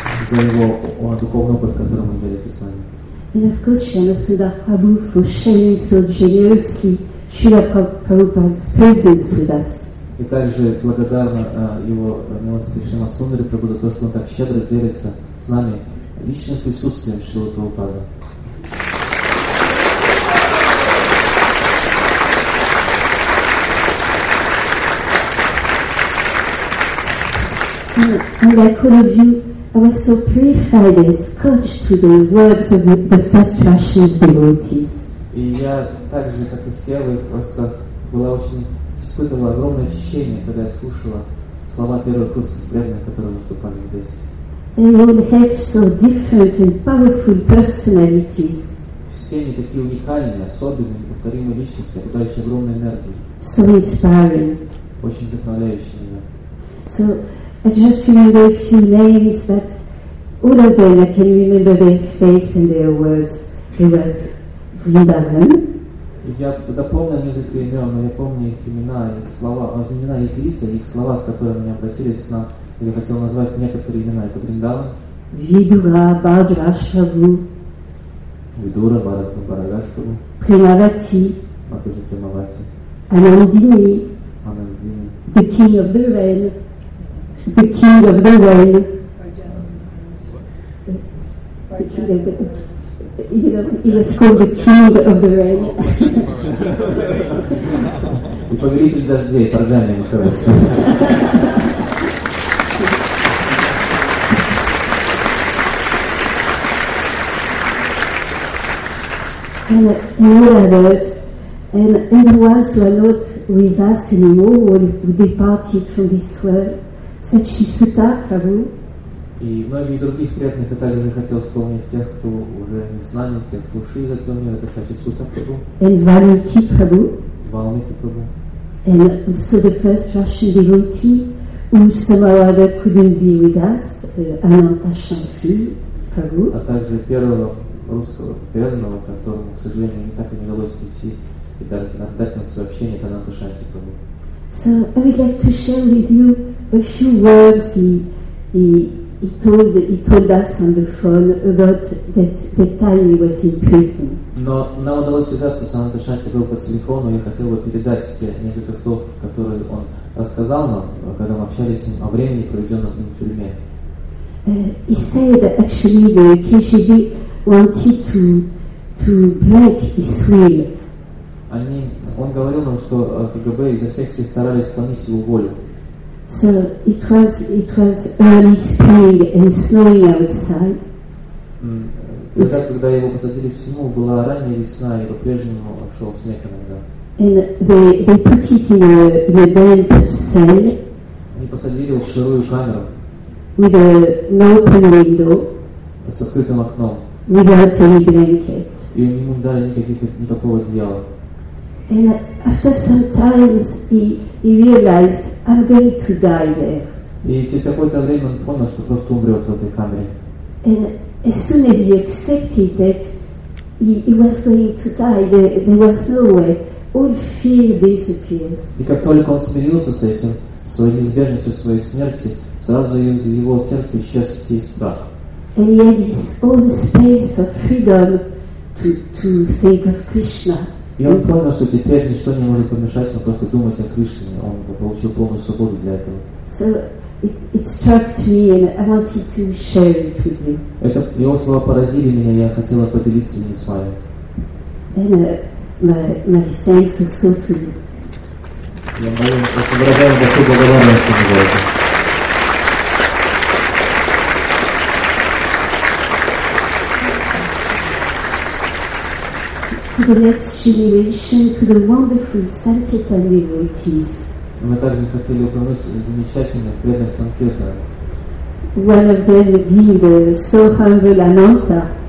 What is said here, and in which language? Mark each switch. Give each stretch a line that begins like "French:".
Russian: За его духовный опыт, которым он делится с нами.
English: And of course, Srila Sridhara Prabhu for sharing so generously Srila Prabhupada's presence with us.
Russian: И также благодарна его милости Шрила Сундари Прабху за то, что он так щедро делится с нами личным присутствием Шрилы Прабхупады.
English: And like all of you, I was so purified and scorched to the words of the first Russian devotees.
Russian: И я также, как и все вы, просто была очень испытывала огромное очищение, когда я слушала слова первых русских преданных, которые выступали здесь.
English: They all have so different and powerful personalities.
Russian: Все они такие уникальные, особенные, неповторимые личности, обладающие огромной энергией.
English: So inspiring.
Russian: Очень вдохновляющие меня.
English: So I just remember a few names, but all of them, I can remember their face and their words. It was Vrindavan.
Russian: Я запомнил несколько имен, но я помню их имена, их слова, имена их лица, их слова, с которыми они обратились к нам, или хотел назвать некоторые имена. Это Vrindavan.
English: Vidura, Bhadrashtabhu. Vidura, Bhadrashtabhu. Premavati.
Russian: Матыжи Премавати. Анандини. Анандини.
English: The king of the realm. The king of the realm. The king of the, you know, he was called the king of the realm.
Russian: И повелитель дождей, Парджани, мне кажется.
English: And all others, and the ones who are not with us anymore, who departed from this world.
Russian: Сачисута Прабху. И многих других преданных я также хотел вспомнить тех, кто уже не с нами, тех, кто ушли из этого мира, это Сачисута Прабху. И Валмики Прабху. Валмики Прабху. И
English: also the first Russian devotee, who somehow or other couldn't be with us, Anantashanti Prabhu.
Russian: А также первого русского преданного, которому, к сожалению, так и не удалось прийти и дать нам свое общение, это Анантушанти Прабху.
English: So I would like to share with you a few words he told us on the phone about that time he was in prison.
Russian: Но нам удалось связаться с Анантушанти Прабху по телефону, и хотел бы передать те несколько слов, которые он рассказал нам, когда мы общались с ним о времени, проведенном им в тюрьме.
English: He said actually the KGB wanted to break his will.
Russian: Он говорил нам, что КГБ изо всех сил старались сломить его волю.
English: So it was early spring and snowing outside.
Russian: Когда его посадили в тюрьму, была ранняя весна, и по-прежнему шел снег иногда.
English: And they put it in a damp cell.
Russian: Они посадили его в сырую камеру.
English: With an open window.
Russian: С открытым окном.
English: Without any blankets.
Russian: И ему не дали никакого одеяла.
English: And after some time, he realized, I'm going to die there. И через какое-то время он понял, что просто умрет в этой камере. And as soon as he accepted that he was going to die, there was no way. All fear disappears.
Russian: И как только он смирился с этим, своей неизбежностью, своей смерти, сразу из его сердца исчез весь страх.
English: And he had his own space of freedom to think of Krishna.
Russian: И он понял, что теперь ничто не может помешать, он просто думать о Кришне. Он получил полную свободу для этого.
English: So it struck me, and I wanted to share it with you.
Russian: Это его слова поразили меня, я хотела поделиться ими с вами.
English: And my thanks also to you.
Russian: Я очень выражаю большую благодарность ему за это.
English: To the next generation, to the wonderful Sankirtan devotees.
Russian: Мы также хотели упомянуть замечательных преданных Санкирта.
English: One of them being the so humble Ananta.